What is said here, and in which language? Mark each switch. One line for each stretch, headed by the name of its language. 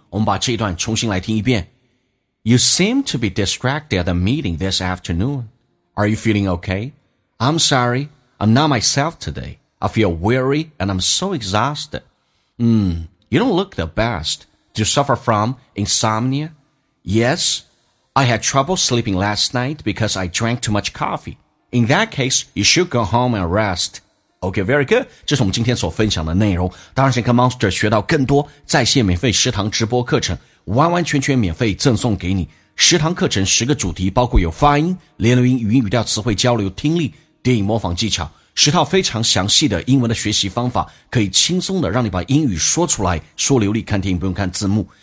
Chinese: 我们把这一段重新来听一遍。
English: You seem to be distracted at the meeting this afternoon. Are you feeling okay? I'm sorry, I'm not myself today. I feel weary and I'm so exhausted. You don't look the best. Do you suffer from insomnia? Yes, I had trouble sleeping last night because I drank too much coffee. In that case, you should go home and rest. OK, very good.
Chinese: 这是我们今天所分享的内容。当然想跟 Monster 学到更多在线免费食堂直播课程，完完全全免费赠送给你。食堂课程十个主题，包括有发音、连读音、语音语调、词汇交流、听力、电影模仿技巧，十套非常详细的英文的学习方法，可以轻松的让你把英语说出来，说流利，看电影不用看字幕。